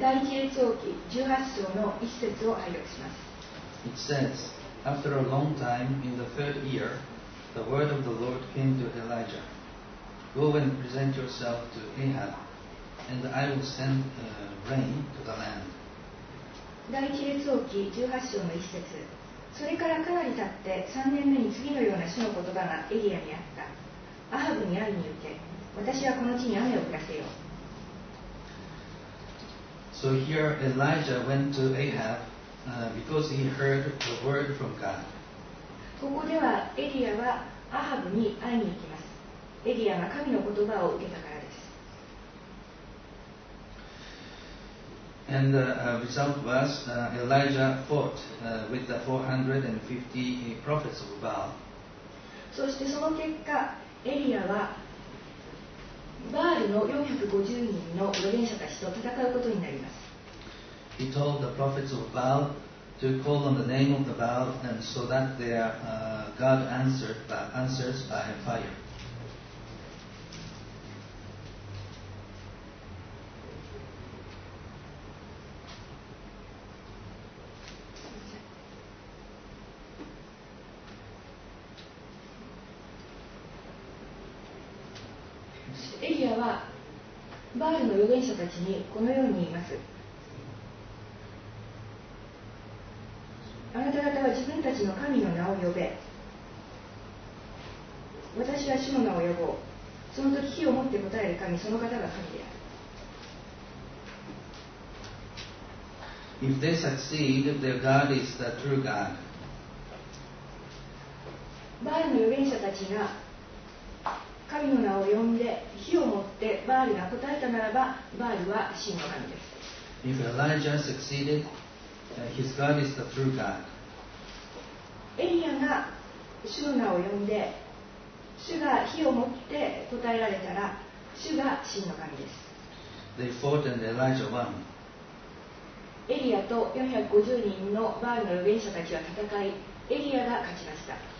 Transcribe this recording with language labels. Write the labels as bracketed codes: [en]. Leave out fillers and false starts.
[ja] 第一列王記18章の一節を拝読します。 [en] It says, After a long time, in the third year, the word of the Lord came to Elijah. Go and present yourself to Ahab, and I will send rain to the land. [ja] 第一列王記18章の一節。それからかなり経って3年目に次のような主の言葉がエリアにあった。アハブに会いに行け。私はこの地に雨を降らせよう。 [en] So here Elijah went to Ahab because he heard the word from God. [ja] ここではエリアはアハブに会いに行きます。エリアが神の言葉を受けたからです。 [en] And the result was Elijah fought with the 450 prophets of Baal. [ja] そしてその結果エリアはバールの450人の預言者たちと戦うことになります。 [en] He told the prophets of Baal to call on the name of the Baal and so that their God answers by fire。 [ja] エリアはバールの預言者たちにこのように言います。あなた方は自分たちの神の名を呼べ、私は主の名を呼ぼう。その時火を持って答える神、その方が神である。 [en] If they succeed, their God is the true God. [ja] バールの預言者たちが神の名を呼んで火を持ってバールが答えたならば、バールは真の神です。 [en] If Elijah succeeded, his God is the true God. [ja] エリアが主の名を呼んで、主が火を持って答えられたら、主が真の神です。 [en] They fought and Elijah won. [ja] エリアと450人のバールの預言者たちは戦い、エリアが勝ちました。